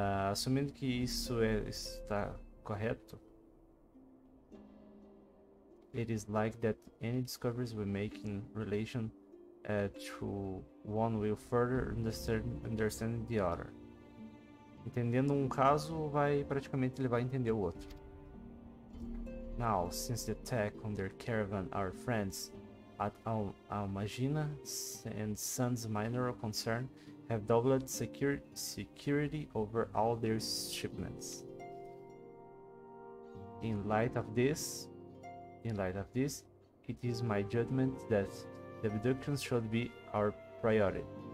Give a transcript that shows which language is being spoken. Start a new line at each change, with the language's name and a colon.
Portuguese: Assumindo que isso está correto.
English: It is like that any discoveries we make in relation to one will further understand the other.
Portuguese: Entendendo um caso vai praticamente levar a entender o outro.
English: Now, since the attack on their caravan, our friends at Almagina and Sun's minor concern have doubled security over all their shipments. In light of this, it is my judgment that the abductions should be our priority.